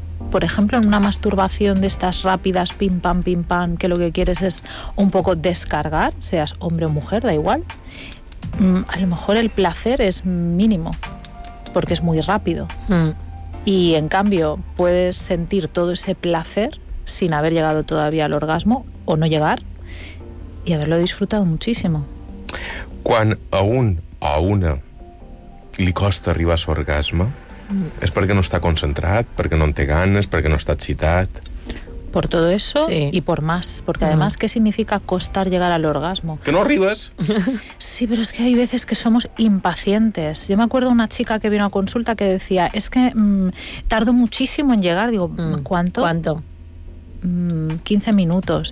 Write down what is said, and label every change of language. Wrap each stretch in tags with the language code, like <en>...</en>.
<es>Por ejemplo, en una masturbación de estas rápidas, pim, pam, que lo que quieres es un poco descargar, seas hombre o mujer, da igual, a lo mejor el placer es mínimo, porque es muy rápido. Mm. Y, en cambio, puedes sentir todo ese placer sin haber llegado todavía al orgasmo, o no llegar, y haberlo disfrutado muchísimo.</es> <ca>Quan a un o a una li costa arribar a l'orgasme, és perquè no està concentrat, perquè no en té ganes, perquè no està excitat.</ca> <es>Por todo eso sí. Y por más. Porque además, ¿qué significa costar llegar al orgasmo?</es> <ca>¡Que no arribes!</ca> <es>Sí, pero es que hay veces que somos impacientes. Yo me acuerdo una chica que vino a consulta que decía, es que tardo muchísimo en llegar. Digo, ¿cuánto? ¿Cuánto? 15 minutos.</es>